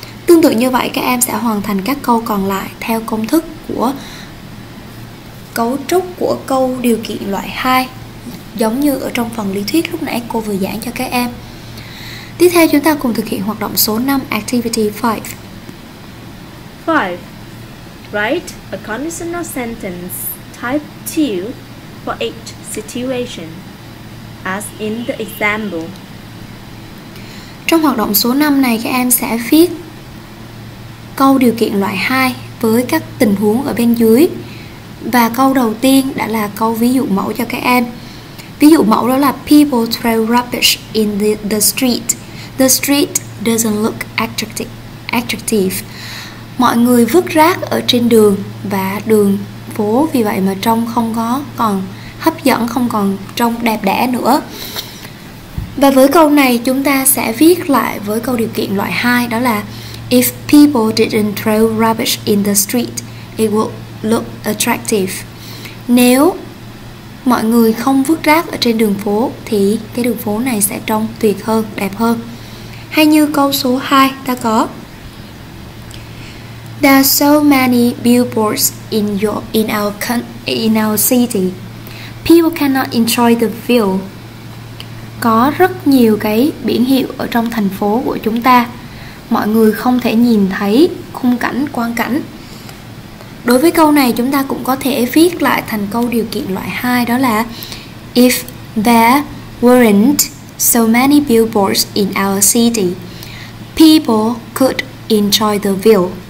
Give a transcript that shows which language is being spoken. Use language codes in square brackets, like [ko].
[vi] Tương tự như vậy, các em sẽ hoàn thành các câu còn lại theo công thức của cấu trúc của câu điều kiện loại 2, giống như ở trong phần lý thuyết lúc nãy cô vừa giảng cho các em. Tiếp theo, chúng ta cùng thực hiện hoạt động số 5, Activity 5. 5. [en] Write a conditional sentence type 2 for each situation, as in the example. [vi] Trong hoạt động số 5 này, các em sẽ viết câu điều kiện loại 2 với các tình huống ở bên dưới. Và câu đầu tiên đã là câu ví dụ mẫu cho các em. Ví dụ mẫu đó là [en] people throw rubbish in the street. The street doesn't look attractive. [vi] Mọi người vứt rác ở trên đường và đường phố vì vậy mà trông không có còn hấp dẫn, không còn trông đẹp đẽ nữa. Và với câu này chúng ta sẽ viết lại với câu điều kiện loại 2, đó là [en] if people didn't throw rubbish in the street, it would look attractive. [vi] Nếu mọi người không vứt rác ở trên đường phố thì cái đường phố này sẽ trông tuyệt hơn, đẹp hơn. Hay như câu số 2 ta có [en] there are so many billboards in our city. People cannot enjoy the view. [vi] Có rất nhiều cái biển hiệu ở trong thành phố của chúng ta. Mọi người không thể nhìn thấy khung cảnh, quang cảnh. Đối với câu này chúng ta cũng có thể viết lại thành câu điều kiện loại 2, đó là [en] if there weren't so many billboards in our city, people could enjoy the view.